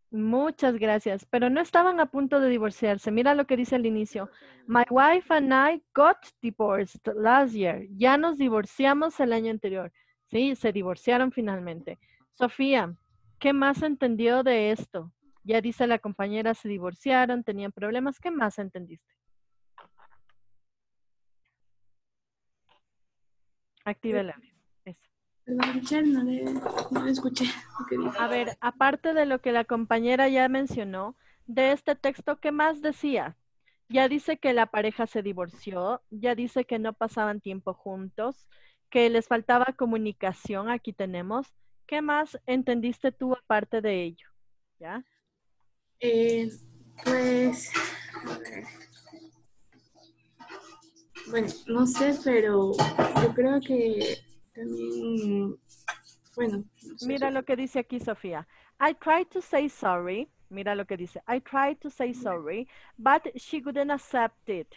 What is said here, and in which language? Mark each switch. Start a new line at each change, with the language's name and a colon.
Spanish: Muchas gracias, pero no estaban a punto de divorciarse. Mira lo que dice al inicio.
English: My wife and I got divorced last year.
Spanish: Ya nos divorciamos el año anterior. Sí, se divorciaron finalmente. Sofía, ¿qué más entendió de esto? Ya dice la compañera, se divorciaron, tenían problemas. ¿Qué más entendiste? Activa el audio. No escuché lo que dijo. A ver, aparte de lo que la compañera ya mencionó, de este texto, ¿qué más decía? Ya dice que la pareja se divorció, ya dice que no pasaban tiempo juntos, que les faltaba comunicación, aquí tenemos. ¿Qué más entendiste tú aparte de ello? ¿Ya? Pues, bueno, no sé, pero yo creo que también, bueno. Mira lo que dice aquí Sofía. I tried to say sorry. Mira lo que dice.
English: I tried to say sorry, but she couldn't accept it.